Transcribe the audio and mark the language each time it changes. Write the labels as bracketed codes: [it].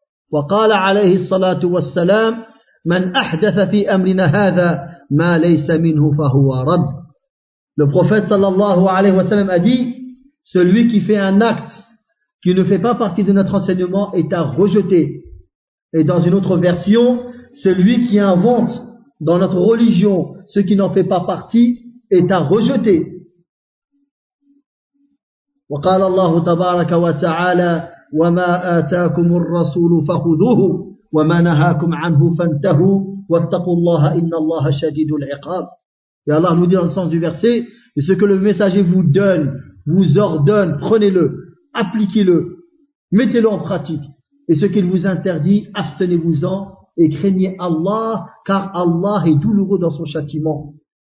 [ar] Wa qala alayhi salatu wa sallam, من أحدث في أمرنا هذا ما ليس منه فهو رد. [fr] Le prophète sallallahu alayhi wa sallam a dit, celui qui fait un acte qui ne fait pas partie de notre enseignement est à rejeter. Et dans une autre version, celui qui invente dans notre religion ce qui n'en fait pas partie est à rejeter. [ar] وقال الله تبارك وتعالى وما آتاكم الرسول فخذوه وما نهاكم عنه فانتهوا واتقوا الله إن الله شديد العقاب. [fr] Et Allah nous dit dans le sens du verset, et ce que le messager vous donne, vous ordonne, prenez-le, appliquez-le, mettez-le en pratique, et ce qu'il vous interdit, abstenez-vous-en et craignez Allah, car Allah est douloureux dans son châtiment.